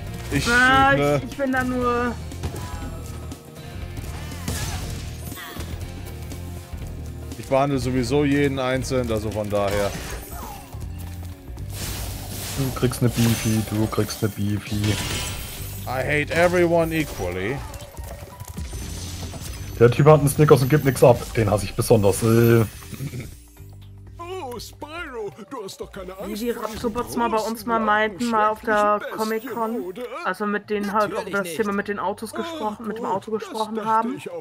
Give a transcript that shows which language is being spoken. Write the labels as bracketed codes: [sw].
[de] Ich bin da nur. Ich behandle sowieso jeden einzeln, also von daher. Du kriegst eine Beefy, du kriegst eine Beefy. [en] I hate everyone equally. [de] Der Typ hat einen Snickers und gibt nichts ab. Den hasse ich besonders. Oh, Spyro, du hast doch keine Angst. Wie die Rapsobots mal bei uns mal meinten, mal auf der Comic-Con. Also mit denen halt auch das Thema mit den Autos gesprochen, mit dem Auto gesprochen haben.